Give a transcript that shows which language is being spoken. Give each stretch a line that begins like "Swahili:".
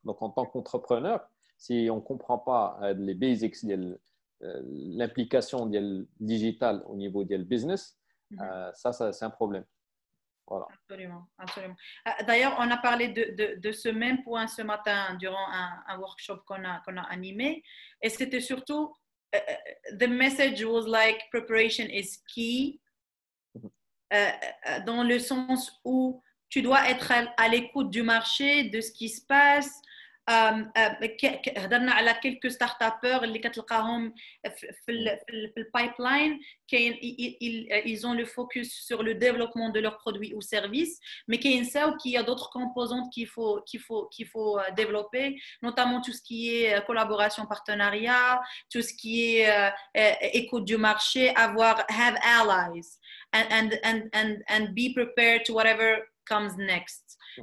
French: Donc, en tant qu'entrepreneur, si on ne comprend pas les basics, l'implication du digital au niveau du business, ça, c'est un problème. Voilà. Absolument, absolument. D'ailleurs, on a parlé de ce même point ce matin durant un workshop qu'on a animé. Et c'était surtout,
English: the message was like, preparation is key.
French: Dans le sens où tu dois être à l'écoute du marché, de ce qui se passe. On a parlé de quelques start-upers qui ont dans le pipeline. Ils ont le focus sur le développement de leurs produits ou services, mais qu'il y a d'autres composantes qu'il faut développer, notamment tout ce qui est collaboration, partenariat, tout ce qui est écoute du marché, avoir
English: have allies and be prepared to whatever comes next.